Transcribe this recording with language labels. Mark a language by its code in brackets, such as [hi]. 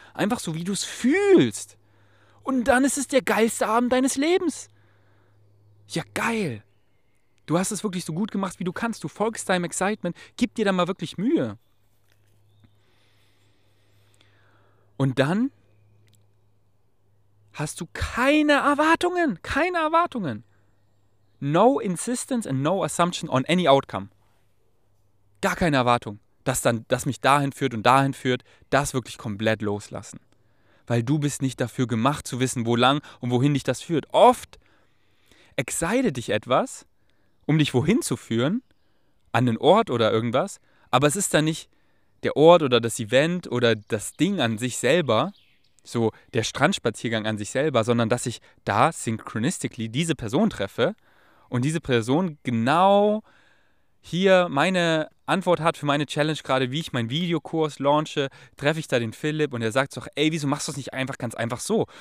[de] Einfach so, wie du es fühlst. Und dann ist es der geilste Abend deines Lebens. Ja, geil. Du hast es wirklich so gut gemacht, wie du kannst. Du folgst deinem Excitement. Gib dir da mal wirklich Mühe. Und dann hast du keine Erwartungen. Keine Erwartungen. [en] No insistence and no assumption on any outcome. [de] Gar keine Erwartung, dass dann das mich dahin führt und dahin führt, das wirklich komplett loslassen. Weil du bist nicht dafür gemacht zu wissen, wo lang und wohin dich das führt. Oft excite dich etwas, um dich wohin zu führen, an den Ort oder irgendwas, aber es ist dann nicht der Ort oder das Event oder das Ding an sich selber, so der Strandspaziergang an sich selber, sondern dass ich da synchronistically diese Person treffe und diese Person genau hier meine Antwort hat für meine Challenge gerade, wie ich meinen Videokurs launche, treffe ich da den Philipp und er sagt so, ey, wieso machst du es nicht einfach ganz einfach so?